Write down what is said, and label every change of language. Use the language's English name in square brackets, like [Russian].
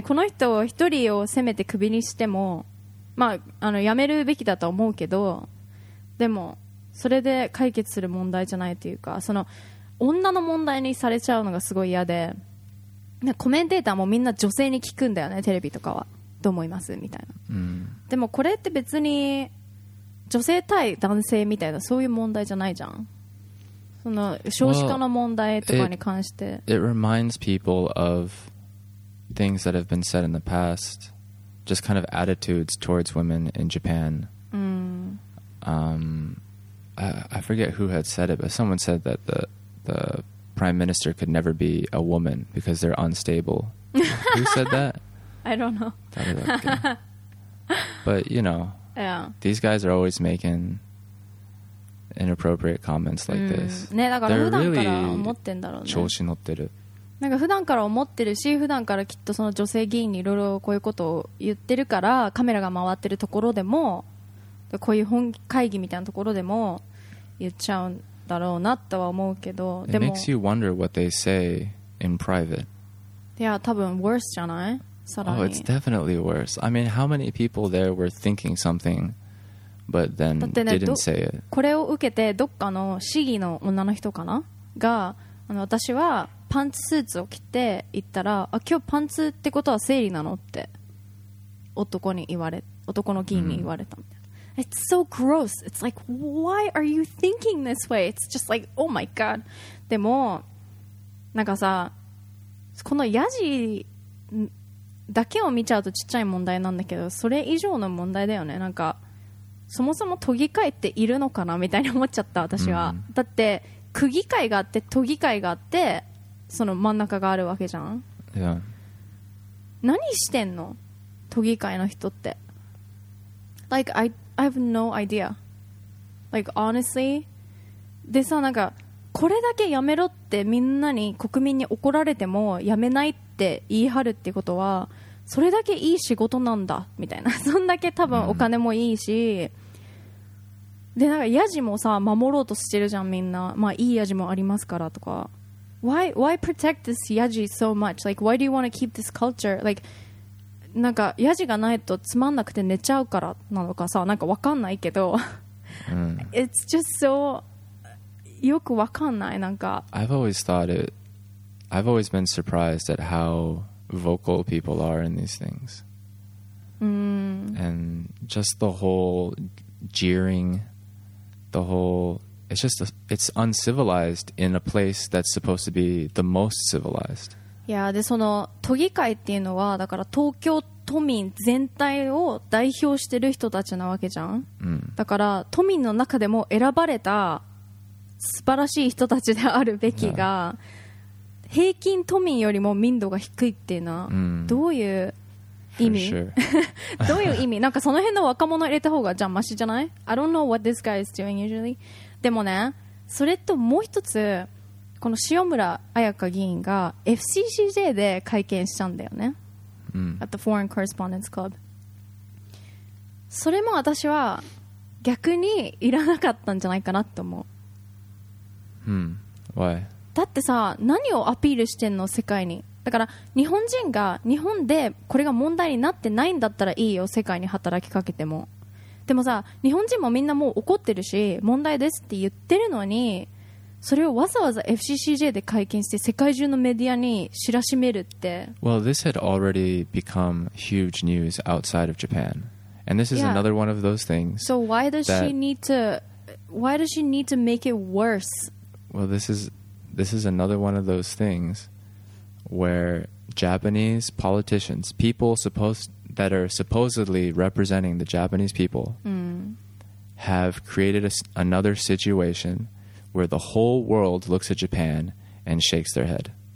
[Japanese] この人を一人を責めてクビにしても、まあ、あの辞めるべきだと思うけど、でもそれで解決する問題じゃないというか、その女の問題にされちゃうのがすごい嫌で、コメンテーターもみんな女性に聞くんだよね、テレビとかは。どう思いますみたいな、うん。でもこれって別に女性対男性みたいな、そういう問題じゃないじゃん。その少子化の問題とかに関して。 [English] Well, it reminds people of things that have been said in the past, just kind of attitudes towards women in Japan.、I forget who had said it, but someone said that the Prime Minister could never be a woman because they're unstable. Who said that? I don't know. But, you know, yeah. These guys are always making inappropriate comments like this. [Japanese] ね、だから普段から思ってんだろうね。調子乗ってる。なんか普段から思ってるし、普段からきっとその女性議員にいろいろこういうことを言ってるから、カメラが回ってるところでも、こういう本会議みたいなところでも言っちゃうだろうなとは思うけど、でも、 [English] It makes you wonder what they say in private. [Japanese] いや、多分 [English] worse [Japanese] じゃない？さらに。 [English] Oh, it's definitely worse. I mean, how many people there were thinking something, but then didn't say it? [Japanese] これを受けて、どっかの市議の女の人かなが、あの、私はパンツスーツを着て行ったら、あ、今日パンツってことは生理なのって男に言われ、男の議員に言われた。 [English] It's so gross. It's like, why are you thinking this way? It's just like, oh my god. [Japanese] でもなんかさ、このヤジだけを見ちゃうとちっちゃい問題なんだけど、それ以上の問題だよね。なんかそもそも都議会っているのかなみたいに思っちゃった私は、mm-hmm. だって区議会があって都議会があってその真ん中があるわけじゃん、 [English] yeah. [Japanese] 何してんの都議会の人って。 [English] Like, I have no idea. Like, honestly. [Japanese] でさ、なんかこれだけやめろってみんなに国民に怒られてもやめないって言い張るってことは、それだけいい仕事なんだみたいな。そんだけ多分お金もいいし、でなんかヤジもさ守ろうとしてるじゃんみんな。まあいいヤジもありますからとか。 [English] why protect this yaji so much? Like, why do you want to keep this culture? Like, [Japanese] なんかやじがないとつまんなくて寝ちゃうからなのかさ、なんかわかんないけど、 [English] It's just so [Japanese] よくわかんない。なんか [English] I've always been surprised at how vocal people are in these things. And just the whole jeering, the whole, it's uncivilized in a place that's supposed to be the most civilized. Yeah, [Japanese] でその都議会っていうのはだから東京都民全体を代表してる人たちなわけじゃん。だから都民の中でも選ばれた素晴らしい人たちであるべきが、平均都民よりも民度が低いっていうのはどういう意味、 [English] sure. [Japanese] どういう意味、なんかその辺の若者入れた方がじゃあマシじゃない。 [English] I don't know what this guy is doing usually. [Japanese] でもね、それともう一つ、この塩村彩香議員が FCCJ で会見したんだよね、 [English] At the Foreign Correspondents Club. [Japanese] それも私は逆にいらなかったんじゃないかなって思う。 [English] Why? [Japanese] だってさ、何をアピールしてんの世界に。だから日本人が日本でこれが問題になってないんだったらいいよ、世界に働きかけても。でもさ、日本人もみんなもう怒ってるし問題ですって言ってるのに、それをわざわざ FCCJ で会見して世界中のメディアに知らしめるって。 [English] Well, this had already become huge news outside of Japan, and this is、yeah. another one of those things. So why does that... why does she need to make it worse? Well, this is another one of those things where Japanese politicians, people supposed that are supposedly representing the Japanese people, have created another situation where the whole world looks at Japan and shakes their head.